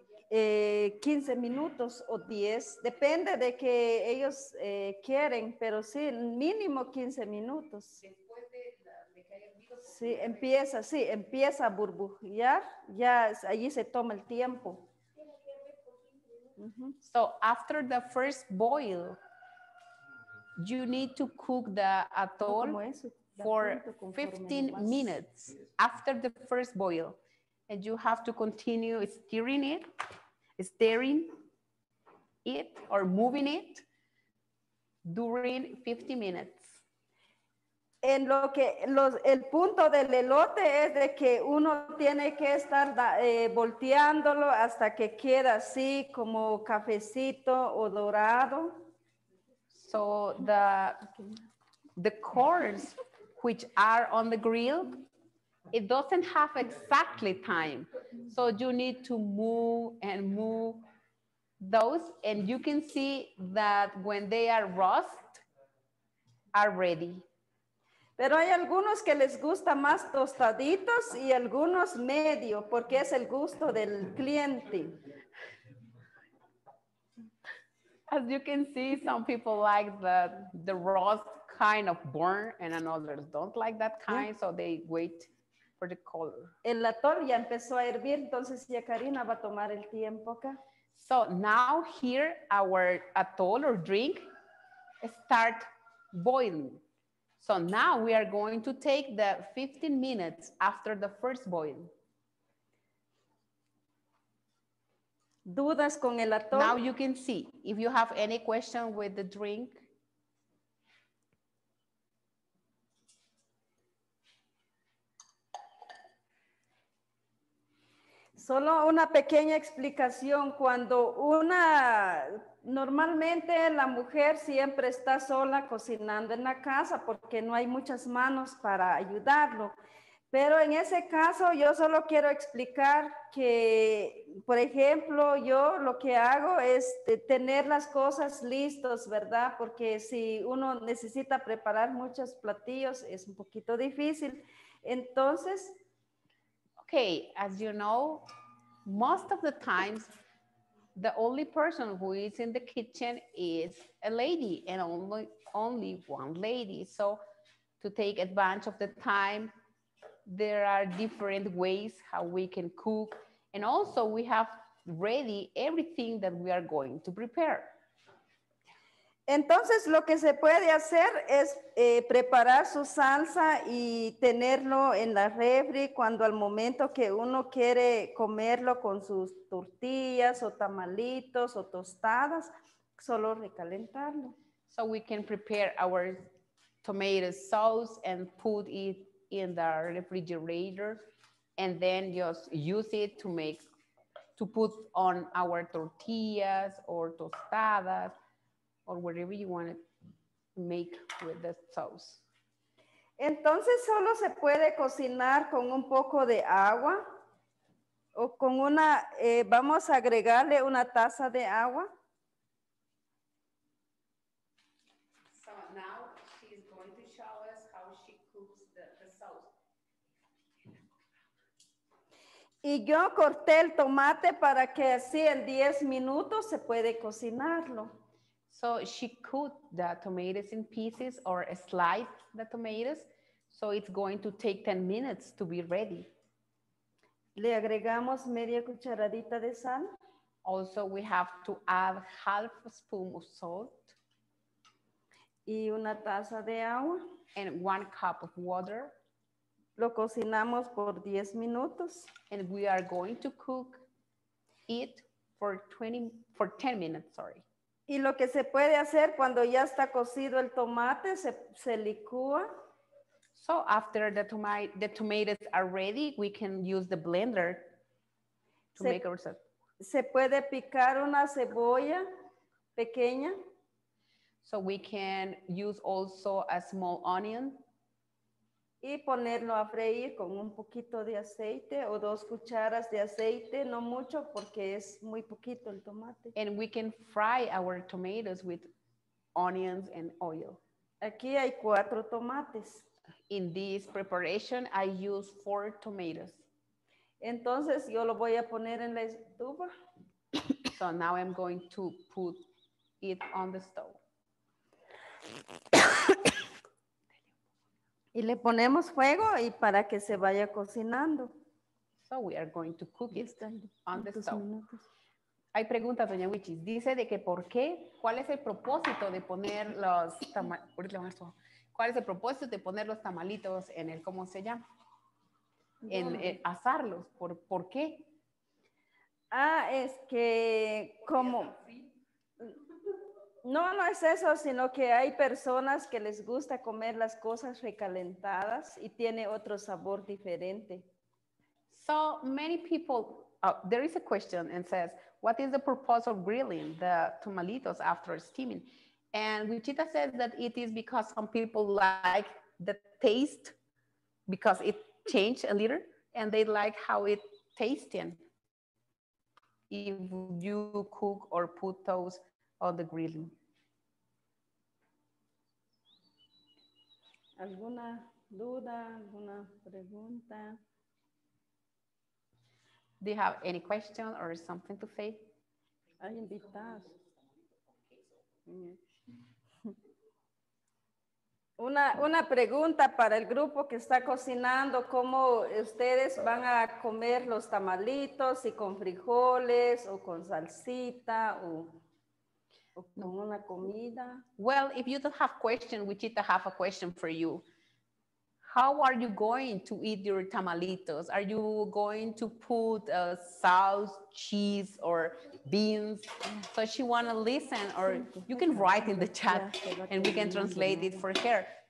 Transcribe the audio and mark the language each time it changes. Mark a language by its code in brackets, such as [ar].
[es] 15 minutos o 10, depende de que ellos quieren, pero sí, mínimo 15 minutos. Después de que haya hervido. Sí, empieza a burbujear, ya allí se toma el tiempo. [en] So, after the first boil, you need to cook the atole for 15 minutes after the first boil, and you have to continue stirring it or moving it during 50 minutes. [es] En lo que el punto del elote es de que uno tiene que estar volteándolo hasta que quede así como cafecito o dorado. [en] So the corns which are on the grill, it doesn't have exactly time. So you need to move and move those. And you can see that when they are rust, are ready. [es] Pero hay algunos que les gusta más tostaditos y algunos medio, porque es el gusto del cliente. [en] As you can see, some people like the rust kind of burn, and others don't like that kind, so they wait. The color. [es] El atol ya empezó a hervir, entonces ya Karina va a tomar el tiempo acá. [en] So now here our atol or drink start boiling. So now we are going to take the 15 minutes after the first boil. [es] Dudas con el atol? [en] Now you can see if you have any question with the drink. [es] Solo una pequeña explicación. Cuando una, normalmente la mujer siempre está sola cocinando en la casa porque no hay muchas manos para ayudarlo. Pero en ese caso yo solo quiero explicar que, por ejemplo, yo lo que hago es tener las cosas listas, ¿verdad? Porque si uno necesita preparar muchos platillos es un poquito difícil. Entonces, [en] okay, as you know, most of the times, the only person who is in the kitchen is a lady, and only one lady. So to take advantage of the time, there are different ways how we can cook. And also we have ready everything that we are going to prepare. [es] Entonces, lo que se puede hacer es preparar su salsa y tenerlo en la refri cuando al momento que uno quiere comerlo con sus tortillas o tamalitos o tostadas, solo recalentarlo. [en] So we can prepare our tomato sauce and put it in the refrigerator and then just use it to make, to put on our tortillas or tostadas. Or whatever you want to make with the sauce. [es] Entonces solo se puede cocinar con un poco de agua o con una, vamos a agregarle una taza de agua. [en] So now she's going to show us how she cooks the sauce. [es] Y yo corté el tomate para que así en 10 minutos se puede cocinarlo. [en] So she cut the tomatoes in pieces or sliced the tomatoes. So it's going to take 10 minutes to be ready. [es] Le agregamos media cucharadita de sal. [en] Also, we have to add half a spoon of salt. [es] Y una taza de agua. [en] And one cup of water. [es] Lo cocinamos por 10 minutos. [en] And we are going to cook it for 10 minutes, sorry. [es] Y lo que se puede hacer cuando ya está cocido el tomate, se licúa. [en] So after the tomatoes are ready, we can use the blender to make ourselves. [es] Se puede picar una cebolla pequeña. [en] So we can use also a small onion. [es] Y ponerlo a freír con un poquito de aceite o dos cucharas de aceite, no mucho porque es muy poquito el tomate. [en] And we can fry our tomatoes with onions and oil. [es] Aquí hay cuatro tomates. [en] In this preparation, I use 4 tomatoes. [es] Entonces yo lo voy a poner en la estufa. [en] So now I'm going to put it on the stove. [es] Y le ponemos fuego y para que se vaya cocinando. [en] So we are going to cook it on the stove. [es] Hay preguntas, Doña Wichis. Dice de que por qué, cuál es el propósito de poner los tamalitos, cuál es el propósito de poner los tamalitos en el, ¿cómo se llama? En asarlos. ¿Por qué? Ah, es que como... No, no es eso, sino que hay personas que les gusta comer las cosas recalentadas y tiene otro sabor diferente. [en] So many people, there is a question and says, what is the purpose of grilling the tomatitos after steaming? And Wichita says that it is because some people like the taste because it changed a little and they like how it tasting. If you cook or put those on the grilling. [es] ¿Alguna duda, alguna pregunta? [en] Do you have any question or something to say? [es] Hay invitados. Una pregunta para el grupo que está cocinando, ¿cómo ustedes van a comer los tamalitos, si con frijoles o con salsita o una comida? [en] Well, if you don't have question, Wichita have a question for you. How are you going to eat your tamalitos? Are you going to put sauce, cheese, or beans? So she wanna listen, or you can write in the chat and we can translate it for her.